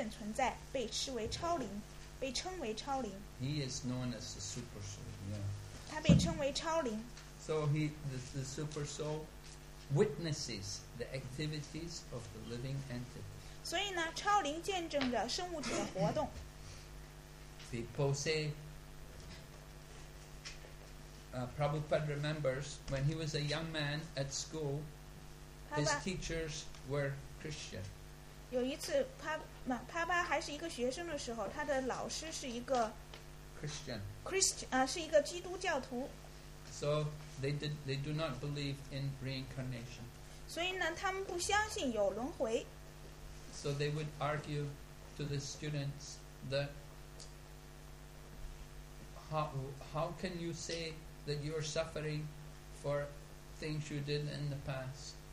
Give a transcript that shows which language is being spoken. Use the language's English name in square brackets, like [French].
[Chinese] 他就是主，至尊无上的拥有者，以监察者和准许者的身份存在，被称为超灵。 [English] He is known as the super soul. Yeah. [Chinese] 他被称为超灵。 [English] So the super soul witnesses the activities of the living entity. [Chinese] 所以呢，超灵见证着生物体的活动。 [English] People say, Prabhupada remembers when he was a young man at school, his teachers were Christian. [Chinese] 有一次，帕巴还是一个学生的时候，他的老师是一个 [English] Christian. [Chinese] Christian，是一个基督教徒。 [English] So they do not believe in reincarnation. [Chinese] 所以呢，他们不相信有轮回。 [English] So they would argue to the students that how can you say that you are suffering for things you did in the past?